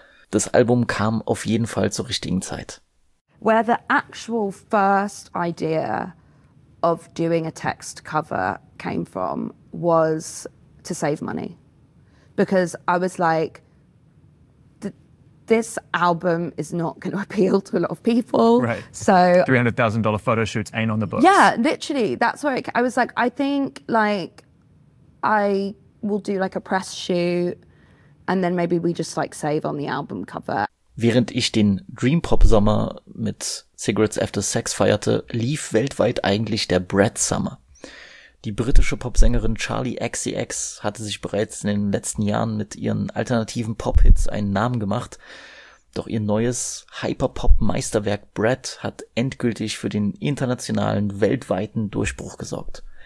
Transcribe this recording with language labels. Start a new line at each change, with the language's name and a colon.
German: Das Album kam auf jeden Fall zur richtigen Zeit.
English: Where the actual first idea of doing a text cover came from was to save money. Because I was like, this album is not going to appeal to a lot of people. Right. So $300,000 photo shoots ain't on the books. Yeah, literally. That's where I was like, I think like I will do like a press shoot. And then maybe we just like save on the album cover.
German: Während ich den Dream-Pop-Sommer mit Cigarettes After Sex feierte, lief weltweit eigentlich der Brad-Summer. Die britische Popsängerin Charlie XCX hatte sich bereits in den letzten Jahren mit ihren alternativen Pop-Hits einen Namen gemacht. Doch ihr neues Hyper-Pop-Meisterwerk Brad hat endgültig für den internationalen, weltweiten Durchbruch gesorgt.